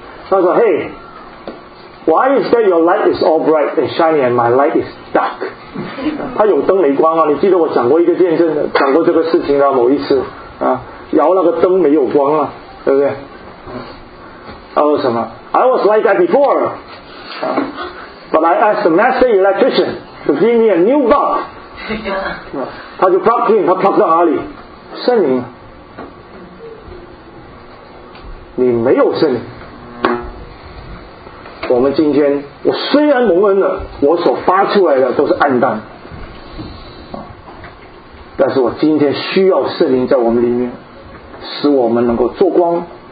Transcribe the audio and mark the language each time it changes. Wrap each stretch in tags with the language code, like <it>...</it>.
<zh>他说</zh> <en>：“Hey, why is that your light is all bright and shiny and my light is dark？”</en> <zh>他有灯没光啊？你记得我讲过一个见证，讲过这个事情啊，某一次啊，摇那个灯没有光啊，对不对？他说什么？</zh> <en>I was like that before, but I asked the master electrician to give me a new bulb.</en> <zh>他就 plug in, 他 plug 到哪里？圣灵，你没有圣灵。我们今天，我虽然蒙恩了，我所发出来的都是暗淡，但是我今天需要圣灵在我们里面，使我们能够做光。</zh>